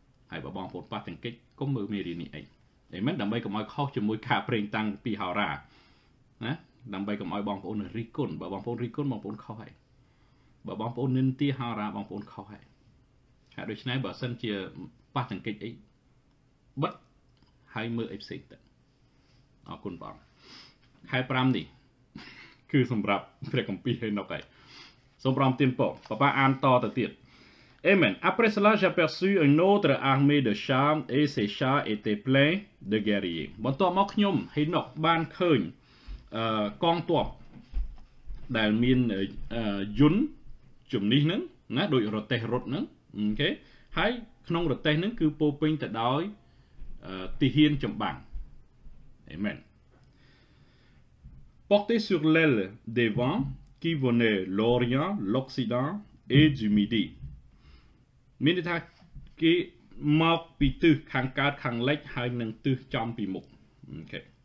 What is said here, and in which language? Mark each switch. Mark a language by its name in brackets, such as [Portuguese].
[Khmer] ហើយបើបងប្អូនប៉ះទង្គិចកុំមើលមេរៀននេះអីអីមែនដើម្បីកុំឲ្យខុសជាមួយការប្រេងតាំងពីហោរាណាដើម្បីកុំឲ្យបងប្អូនរីគុណបើបងប្អូនរីគុណបងប្អូនខុសហើយបើបងប្អូននិន្ទាហោរាបងប្អូនខុសហើយហើយដូច្នេះបើសិនជាប៉ះទង្គិចអីបិទហើយមើលអីផ្សេងទៅអរគុណបងខែ5នេះគឺសម្រាប់ព្រះគម្ពីរហេណុកឯងសូមប្រំទានពរបបាអានតទៅទៀតAmen. [French] Après cela, j'aperçus une autre armée de chars et ces chars étaient pleins de guerriers. [Khmer] បន្ទាប់មកខ្ញុំហេណុកបានឃើញកងទ័ពដែលមានយន្តជំនិះហ្នឹងណាដូចរទេះរត់ហ្នឹងអូខេហើយក្នុងរទេះហ្នឹងគឺពោពេញទៅដោយទាហានចម្បាំង Amen. [French] Portés sur l'aile des vents qui venaient l'Orient, l'Occident et du Midi. [Khmer] មានន័យថាគេមកពីទិសខាងកើតខាងលិចហើយនឹងទិសចំពីមុខអូខេ